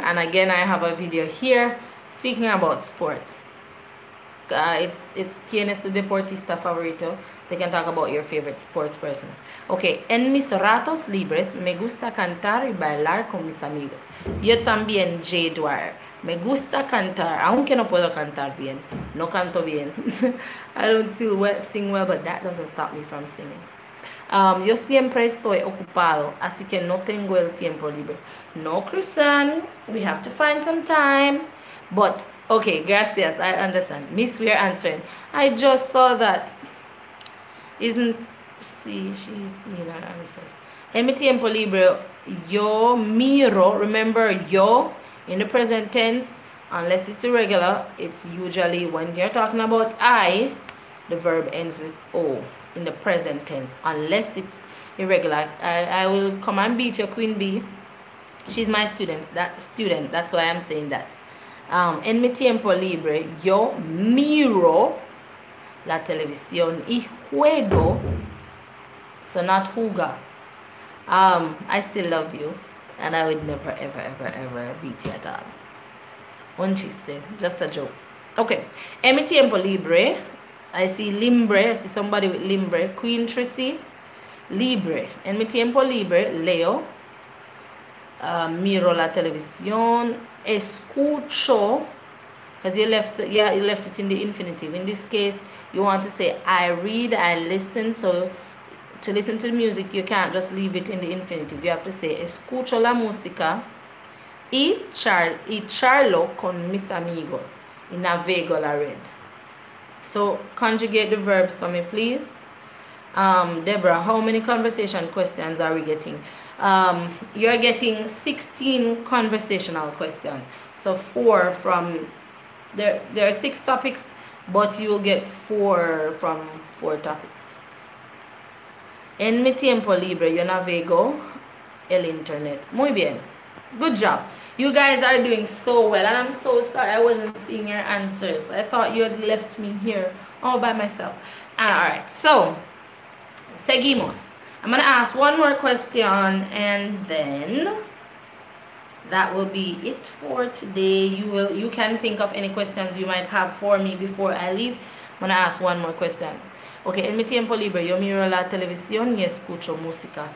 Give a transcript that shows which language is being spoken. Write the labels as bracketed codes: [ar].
[en] And again, I have a video here speaking about sports. It's [es] ¿quién es tu deportista favorito? [en] So you can talk about your favorite sports person. Okay. [es] En mis ratos libres me gusta cantar y bailar con mis amigos. Yo también, J. Dwyer. Me gusta cantar, aunque no puedo cantar bien. No canto bien. [en] I don't still well, sing well, but that doesn't stop me from singing. [es] Yo siempre estoy ocupado, así que no tengo el tiempo libre. [en] No, Cruzan, we have to find some time. But, okay, gracias, I understand. Miss, we are answering. I just saw that. Isn't, see, she's seen her answers. [es] En mi tiempo libre, yo miro, remember, yo. [en] In the present tense, unless it's irregular, it's usually when you're talking about I, the verb ends with O in the present tense, unless it's irregular. I will come and beat your Queen Bee. She's my student. That's why I'm saying that. [es] En mi tiempo libre, yo miro la televisión y juego. [en] So not juga. I still love you. And I would never, ever, ever, ever beat you at all. [es] Un chiste. [en] Just a joke. Okay. [es] En mi tiempo libre. [en] I see limbre. I see somebody with limbre. Queen Trissy. Libre. [es] En mi tiempo libre. Leo. Miro la televisión. Escucho. [en] Because you left, yeah, you left it in the infinitive. In this case, you want to say, I read, I listen. So to listen to music, you can't just leave it in the infinitive. You have to say, [es] escucho la música y charlo con mis amigos y navego la red. [en] So, conjugate the verbs for me, please. Deborah, how many conversation questions are we getting? You're getting 16 conversational questions. So, four from... There are six topics, but you'll get four from four topics. [es] En mi tiempo libre, yo navego el internet. Muy bien. [en] Good job. You guys are doing so well. And I'm so sorry I wasn't seeing your answers. I thought you had left me here all by myself. All right. So, seguimos. I'm going to ask one more question. And then that will be it for today. You can think of any questions you might have for me before I leave. I'm going to ask one more question. [es] Okay, en mi tiempo libre, yo miro la televisión y escucho música.